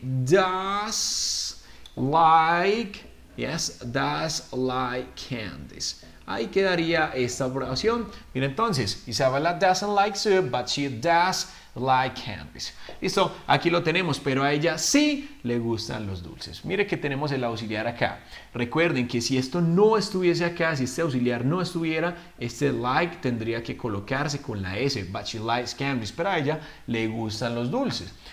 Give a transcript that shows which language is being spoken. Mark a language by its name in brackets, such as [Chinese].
[English] Does like, yes, does like candies. [Spanish] Ahí quedaría esta oración. Mira entonces, [English] Isabella doesn't like soup, but she does like candies. [Spanish] Listo, aquí lo tenemos, pero a ella sí le gustan los dulces. Mire que tenemos el auxiliar acá. Recuerden que si esto no estuviese acá, si este auxiliar no estuviera, este like tendría que colocarse con la S, [English] but she likes candies, [Spanish] pero a ella le gustan los dulces.